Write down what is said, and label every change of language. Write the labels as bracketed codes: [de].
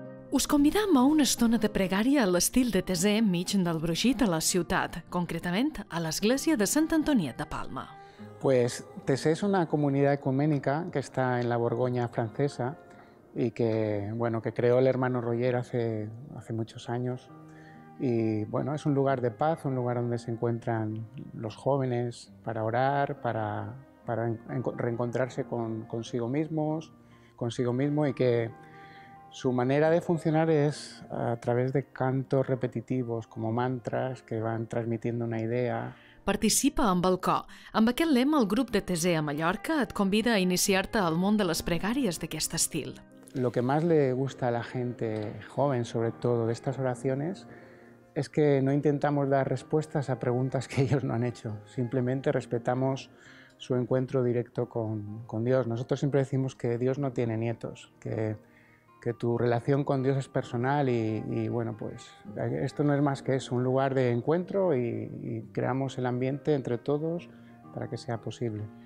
[ca] Us convidam a una estona de pregària a l'estil de Teser enmig del brogit a la ciutat, concretament a l'església de Sant Antoniet de Palma. [es] Pues Teser es una comunidad ecuménica que está en la Borgoña francesa y que, bueno, que creó el hermano Roger hace muchos años. Y bueno, es un lugar de paz, un lugar donde se encuentran los jóvenes para orar, para reencontrarse consigo mismo y que su manera de funcionar es a través de cantos repetitivos como mantras que van transmitiendo una idea. [ca] Participa amb el cor. Amb aquest lema, el grup de Teser a Mallorca et convida a iniciar-te al món de les pregàries d'aquest estil. [es] Lo que más le gusta a la gente joven, sobre todo, de estas oraciones, es que no intentamos dar respuestas a preguntas que ellos no han hecho. Simplemente respetamos su encuentro directo con Dios. Nosotros siempre decimos que Dios no tiene nietos, que tu relación con Dios es personal y bueno, pues esto no es más que eso, un lugar de encuentro y creamos el ambiente entre todos para que sea posible.